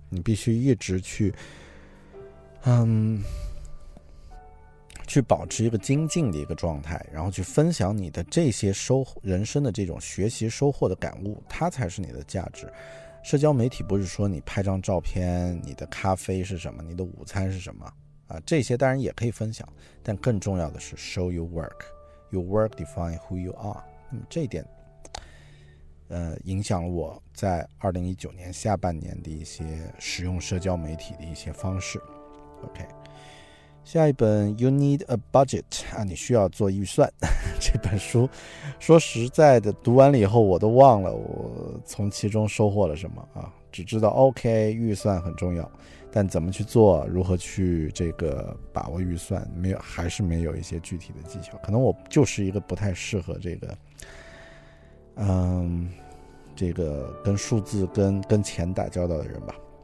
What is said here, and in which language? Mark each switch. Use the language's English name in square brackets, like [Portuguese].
[Chinese] 你必须一直去去保持一个精进的一个状态，然后去分享你的这些收获，人生的这种学习收获的感悟，它才是你的价值。社交媒体不是说你拍张照片，你的咖啡是什么，你的午餐是什么啊？这些当然也可以分享，但更重要的是 [English] show your work， your work define who you are。 [Chinese] 那么这一点影响了我在2019年下半年的一些使用社交媒体的一些方式。 OK，下一本 You Need a Budget 啊，你需要做预算。这本书说实在的，读完了以后我都忘了我从其中收获了什么啊，只知道 OK 预算很重要，但怎么去做，如何去这个把握预算，没有，还是没有一些具体的技巧。可能我就是一个不太适合这个这个跟数字跟钱打交道的人吧。